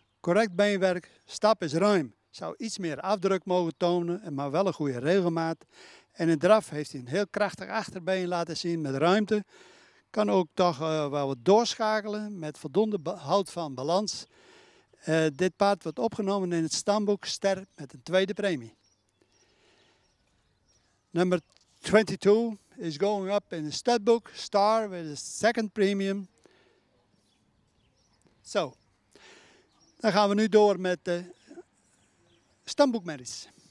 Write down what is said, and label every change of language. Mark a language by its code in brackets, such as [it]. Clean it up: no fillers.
[nl] Correct beenwerk, stap is ruim. Zou iets meer afdruk mogen tonen, maar wel een goede regelmaat. En in draf heeft hij een heel krachtig achterbeen laten zien met ruimte. Kan ook toch wel wat doorschakelen met voldoende houd van balans. Dit paard wordt opgenomen in het stamboek Ster met een tweede premie. [en] Nummer 22 is going up in the studbook Star with a second premium. [nl] Zo, dan gaan we nu door met de stamboekmerries.